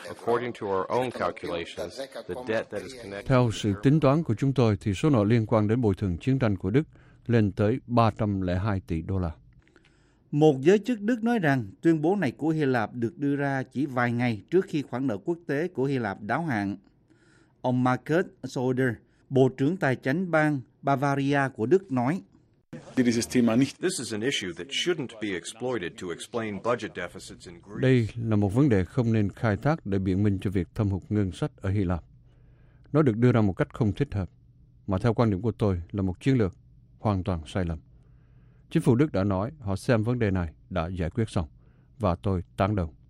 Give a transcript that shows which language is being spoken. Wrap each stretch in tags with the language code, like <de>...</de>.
<en>according to our own calculations, the debt that is connected.</en> <vi>Theo sự tính toán của chúng tôi thì số nợ liên quan đến bồi thường chiến tranh của Đức lên tới 302 tỷ đô la. Một giới chức Đức nói rằng tuyên bố này của Hy Lạp được đưa ra chỉ vài ngày trước khi khoản nợ quốc tế của Hy Lạp đáo hạn. Ông Markus Söder, Bộ trưởng Tài chính bang Bavaria của Đức, nói:</vi> <en>This is an issue that shouldn't be exploited to explain budget deficits in Greece.</en> <vi>Đây là một vấn đề không nên khai thác để biện minh cho việc thâm hụt ngân sách ở Hy Lạp. Nó được đưa ra một cách không thích hợp, mà theo quan điểm của tôi là một chiến lược hoàn toàn sai lầm. Chính phủ Đức đã nói họ xem vấn đề này đã giải quyết xong, và tôi tán đồng.</vi>